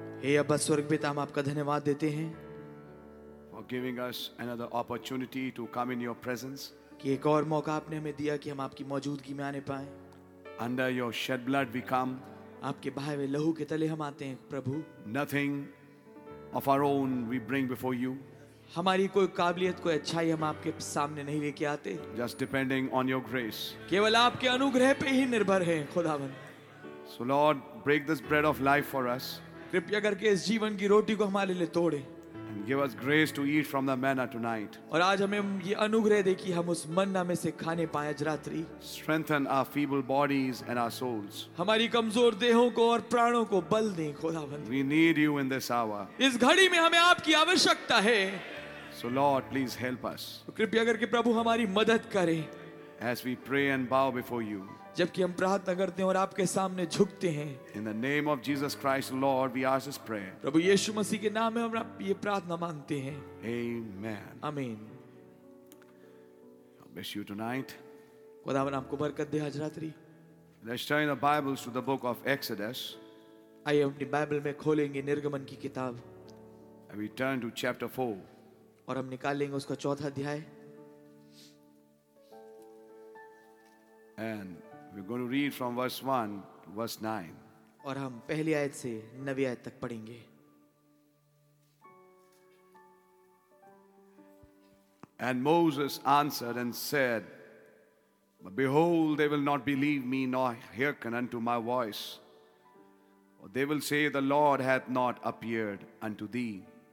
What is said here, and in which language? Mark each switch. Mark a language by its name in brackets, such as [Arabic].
[English] Hey, Abba, [Hindi] Swargpita, हम आपका धन्यवाद देते हैं. [English] For giving us another opportunity to come in your presence. [Hindi] कि एक और मौका आपने हमें दिया कि हम आपकी मौजूदगी में आने पाएं. [English] Under your shed blood we come. [Hindi] आपके बहाए हुए लहू के तले हम आते हैं, प्रभु. [English] Nothing of our own we bring before you. [Hindi] हमारी कोई काबिलियत कोई अच्छाई हम आपके सामने नहीं लेके आते. [English] Just depending on your grace. [Hindi] केवल आपके अनुग्रह पे ही निर्भर हैं, खुदावन. [English] So Lord, break this bread of life for us. [Hindi] कृपया करके इस जीवन की रोटी को हमारे लिए तोड़े. [English] And give us grace to eat from the manna tonight. [Hindi] और आज हमें ये अनुग्रह दे कि हम उस मन्ना में से खाने पाएं आज रात्रि. [English] Strengthen our feeble bodies and our souls. [Hindi] हमारी कमजोर देहों को और प्राणों को बल दें, खुदावन्द. [English] We need you in this hour. [Hindi] इस घड़ी में हमें आपकी आवश्यकता है. [English] So Lord, please help us. [Hindi] कृपया करके प्रभु हमारी मदद करें. [English] As we pray and bow before you. [Hindi] जबकि हम प्रार्थना करते हैं और आपके सामने झुकते हैं. [English] In the name of Jesus Christ, Lord, we ask this prayer. [Hindi] प्रभु यीशु मसीह के नाम में हम ये प्रार्थना मांगते हैं. [English] Amen. Amen. bless you tonight. [Hindi] खुदावन आपको बरकत दे आज रात्रि. [English] Let's turn the Bibles to the book of Exodus. [Hindi] आइए अपनी बाइबल में खोलेंगे निर्गमन की किताब. [English] And we turn to chapter 4. [Hindi] और हम निकालेंगे उसका चौथा अध्याय. [English] And we're going to read from verse 1 to verse 9. [Hindi] और हम पहली आयत से नवी आयत तक पढ़ेंगे. [English] And Moses answered and said, But behold, they will not believe me nor hearken unto my voice. For they will say, The Lord hath not appeared unto thee.